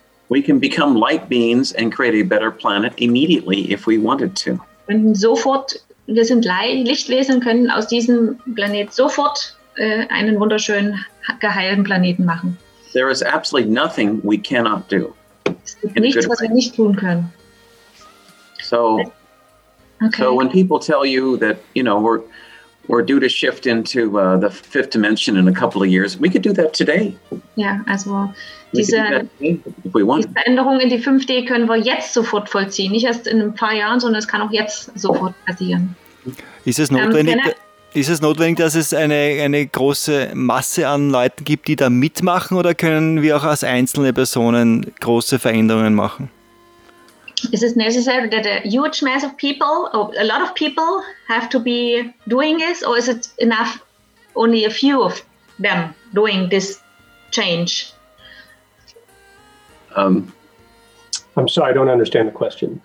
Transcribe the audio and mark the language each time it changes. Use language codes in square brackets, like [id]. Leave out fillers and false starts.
[en] We can become light beings and create a better planet immediately if we wanted to. [de] Und sofort, wir sind Lichtwesen, können aus diesem Planet sofort einen wunderschönen geheilten Planeten machen. [en] There is absolutely nothing we cannot do. [de] Es gibt nichts, was wir nicht tun können. [en] So. Okay. So when people tell you that, you know, we're due to shift into the fifth dimension in a couple of years, we could do that today. [de] Yeah, also diese Veränderung in die 5D können wir jetzt sofort vollziehen. Nicht erst in ein paar Jahren, sondern es kann auch jetzt sofort passieren. Ist es notwendig, dass es eine große Masse an Leuten gibt, die da mitmachen, oder können wir auch als einzelne Personen große Veränderungen machen? [en] Is it necessary that a huge mass of people, or a lot of people, have to be doing this, or is it enough only a few of them doing this change? I'm sorry, I don't understand the question.